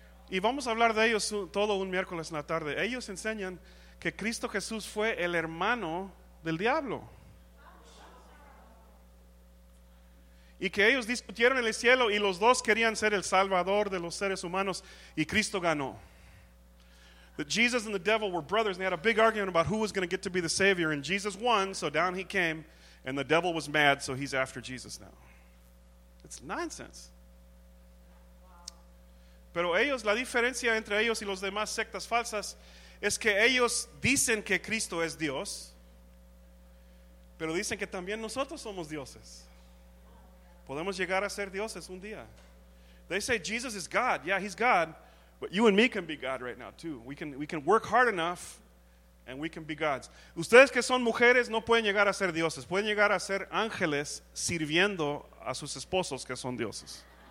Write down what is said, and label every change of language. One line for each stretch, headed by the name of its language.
Spanish: Y vamos a hablar de ellos todo un miércoles en la tarde. Ellos enseñan que Cristo Jesús fue el hermano del diablo. Y que ellos discutieron en el cielo y los dos querían ser el salvador de los seres humanos y Cristo ganó.
English: That Jesus and the devil were brothers and they had a big argument about who was going to get to be the savior, and Jesus won, so down he came, and the devil was mad, so he's after Jesus now. It's nonsense.
Spanish: Pero ellos, la diferencia entre ellos y los demás sectas falsas es que ellos dicen que Cristo es Dios, pero dicen que también nosotros somos dioses. Podemos llegar a ser dioses un día.
English: They say Jesus is God. Yeah, he's God. But you and me can be God right now too. We can work hard enough and we can be gods.
Spanish: Ustedes que son mujeres no pueden llegar a ser dioses. Pueden llegar a ser ángeles sirviendo a sus esposos que son dioses.